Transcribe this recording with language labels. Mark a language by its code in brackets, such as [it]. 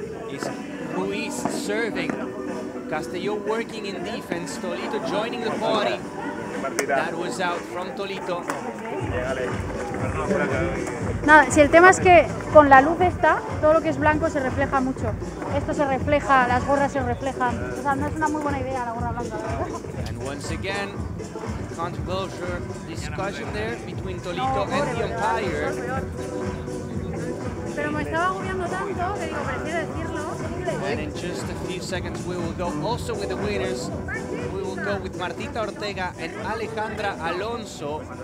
[en] Is Ruiz serving? Castelló working in defense, Tolito joining the party. That was out from Tolito. [es] Nada, si el tema es que con la luz esta, todo lo que es blanco se refleja mucho. Esto se refleja, las gorras se reflejan. O sea, no es una muy buena idea la gorra blanca, ¿verdad? [en] And once again, controversial discussion there between Tolito and the umpire. [es] Pero me estaba agobiando tanto que digo, prefiero decirlo. [en] And in just a few seconds, we will go also with the winners. We will go with Martita Ortega and Alejandra Alonso.